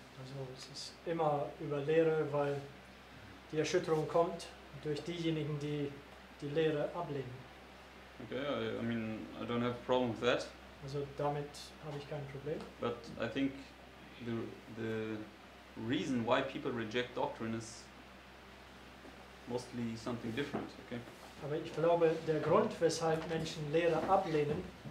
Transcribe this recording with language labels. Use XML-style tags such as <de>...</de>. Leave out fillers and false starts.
<de>Also es ist immer über Lehre, weil die Erschütterung kommt durch diejenigen, die die Lehre ablehnen.</de> <en>Okay, I mean, I don't have a problem with that.</en> <de>Also damit habe ich kein Problem.</de> <en>But I think the reason why people reject doctrine is mostly something different, okay?</en> <de>Aber ich glaube, der Grund, weshalb Menschen Lehre ablehnen,</de>